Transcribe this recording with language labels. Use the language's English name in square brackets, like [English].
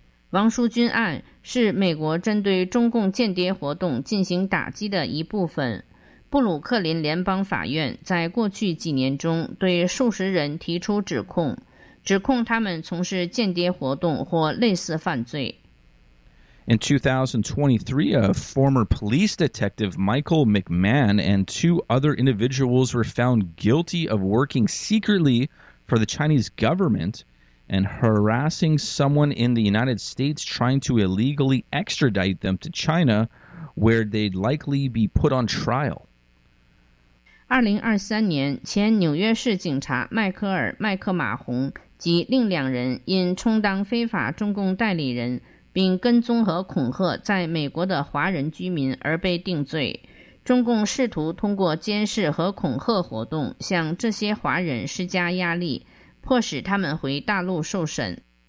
[Chinese] 王淑君案是美国针对中共间谍活动进行打击的一部分。布鲁克林联邦法院在过去几年中对数十人提出指控，指控他们从事间谍活动或类似犯罪。 [English] In 2023, a former police detective Michael McMahon and two other individuals were found guilty of working secretly for the Chinese government and harassing someone in the United States trying to illegally extradite them to China, where they'd likely be put on trial. [Chinese] 2023年，前纽约市警察迈克尔·麦克马洪及另两人因充当非法中共代理人并跟踪和恐吓在美国的华人居民而被定罪。中共试图通过监视和恐吓活动向这些华人施加压力，迫使他们回大陆受审。